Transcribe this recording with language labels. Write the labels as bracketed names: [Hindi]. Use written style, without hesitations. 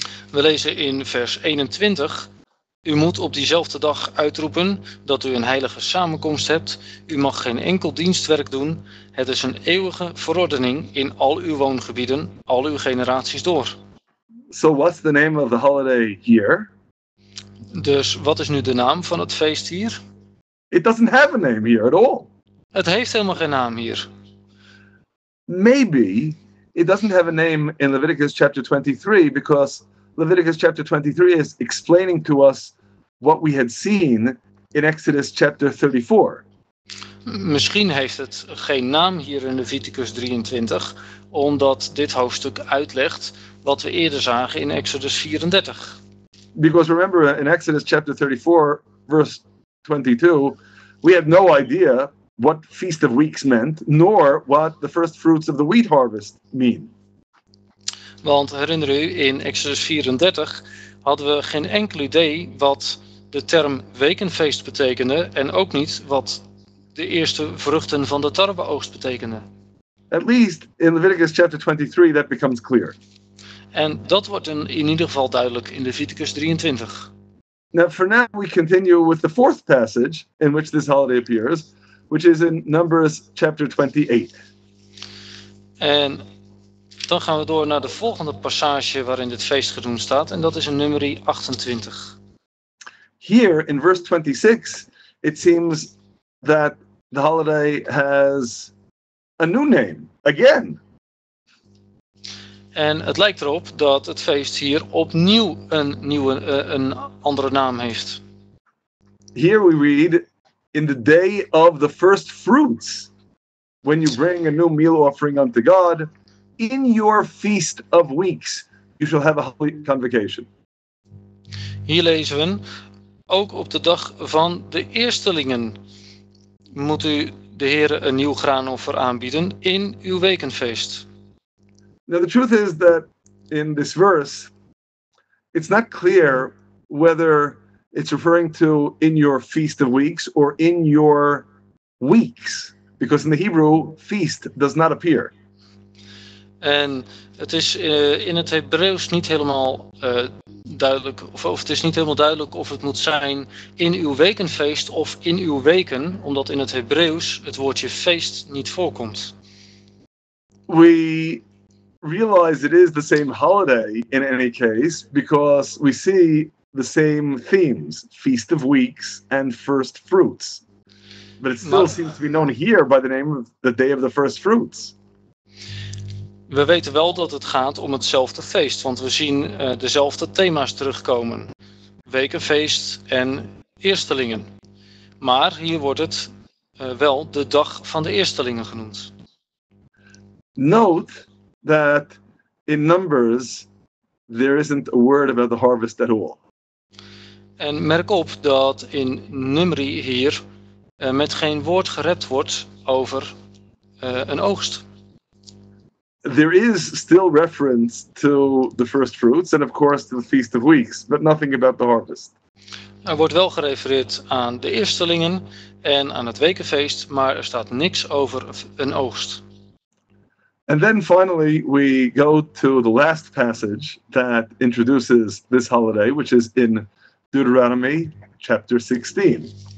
[Dutch] We lezen in vers 21, u moet op diezelfde dag uitroepen dat u een heilige samenkomst hebt. U mag geen enkel dienstwerk doen. Het is een eeuwige verordening in al uw woongebieden, al uw generaties door. [English] So what's the name of the holiday here? [Dutch] Dus wat is nu de naam van het feest hier? [English] It doesn't have a name here at all. [Dutch] Het heeft helemaal geen naam hier. [English] Maybe it doesn't have a name in Leviticus chapter 23 because Leviticus chapter 23 is explaining to us what we had seen in Exodus chapter 34. [Dutch] Misschien heeft het geen naam hier in Leviticus 23, omdat dit hoofdstuk uitlegt wat we eerder zagen in Exodus 34. [English] Because remember, in Exodus chapter 34, verse 22, we had no idea what Feast of Weeks meant, nor what the first fruits of the wheat harvest mean. [Dutch] Want herinner u, in Exodus 34 hadden we geen enkel idee wat de term wekenfeest betekende en ook niet wat de eerste vruchten van de tarweoogst betekende. [English] At least in Leviticus chapter 23 that becomes clear. [Dutch] En dat wordt in ieder geval duidelijk in Leviticus 23. [English] Now for now we continue with the fourth passage in which this holiday appears, which is in Numbers chapter 28. [Dutch] En dan gaan we door naar de volgende passage waarin dit feest genoemd staat, en dat is in Numeri 28. [English] Here in verse 26, it seems that the holiday has a new name again. [Dutch] En het lijkt erop dat het feest hier opnieuw een andere naam heeft. [English] Here we read in the day of the first fruits, when you bring a new meal offering unto God. In your Feast of Weeks, you shall have a holy convocation. [Dutch] Hier lezen we, ook op de dag van de eerstelingen moet u de Heere een nieuw graanoffer aanbieden in uw wekenfeest. [English] Now the truth is that in this verse, it's not clear whether it's referring to in your Feast of Weeks or in your weeks. Because in the Hebrew, feast does not appear. [Dutch] En het is in het Hebreeuws niet helemaal duidelijk, of het is niet helemaal duidelijk of het moet zijn in uw wekenfeest of in uw weken, omdat in het Hebreeuws het woordje feest niet voorkomt. [English] We realize it is the same holiday in any case, because we see the same themes, Feast of Weeks and First Fruits. But it still seems to be known here by the name of the Day of the First Fruits. [Dutch] We weten wel dat het gaat om hetzelfde feest, want we zien dezelfde thema's terugkomen. Wekenfeest en eerstelingen. Maar hier wordt het wel de dag van de eerstelingen genoemd. [English] Note that in Numbers there isn't a word about the harvest at all. [Dutch] En merk op dat in Numeri hier met geen woord gerept wordt over een oogst. [English] There is still reference to the first fruits and of course to the Feast of Weeks, but nothing about the harvest. [Dutch] Er wordt wel gerefereerd aan de eerstelingen en aan het wekenfeest, maar er staat niks over een oogst. [English] And then finally we go to the last passage that introduces this holiday, which is in Deuteronomy chapter 16.